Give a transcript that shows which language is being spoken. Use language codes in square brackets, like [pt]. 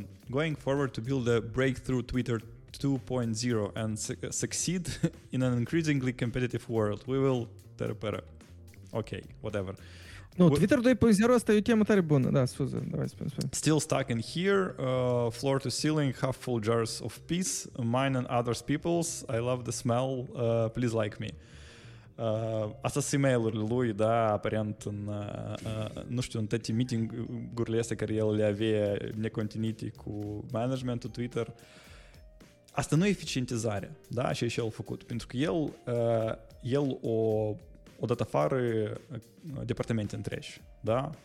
[en] Going forward to build a breakthrough Twitter 2.0 and succeed in an increasingly competitive world. We will... Tera-pera. Ok, whatever. [ro] No, Twitter 2.0 asta e o temă tare bună. Da, scuze, davai, spune. [en] Still stuck in here, floor to ceiling, half full jars of piss, mine and others people's, I love the smell, please like me. [ro] Asta sunt e-mail-urile lui, da, aparent în, nu știu, în toate meeting-urile astea care el le avea necontinuite cu managementul Twitter. Asta nu e eficientizare, da, așa e și el făcut, pentru că el o dat afară departamente întregi, da?